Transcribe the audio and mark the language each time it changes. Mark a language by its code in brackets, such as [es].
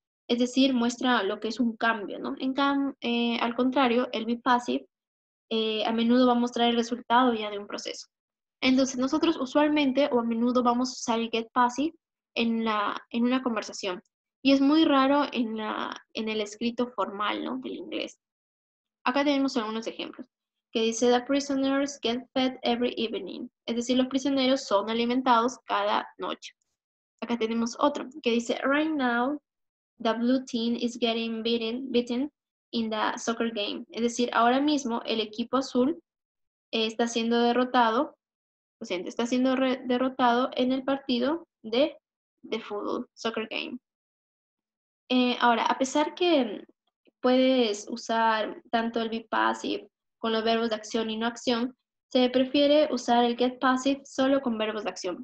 [es] Es decir, muestra lo que es un cambio, ¿no? Al contrario, el be passive a menudo va a mostrar el resultado ya de un proceso. Entonces, nosotros usualmente o a menudo vamos a usar el get passive en una conversación. Y es muy raro en el escrito formal, ¿no? Del inglés. Acá tenemos algunos ejemplos. Que dice, [en] the prisoners get fed every evening. [es] Es decir, los prisioneros son alimentados cada noche. Acá tenemos otro. Que dice, [en] right now, the blue team is getting beaten in the soccer game. [es] Es decir, ahora mismo el equipo azul está siendo derrotado. Lo siento, está siendo derrotado en el partido de fútbol, soccer game. Ahora, a pesar que puedes usar tanto el be passive con los verbos de acción y no acción, se prefiere usar el get passive solo con verbos de acción.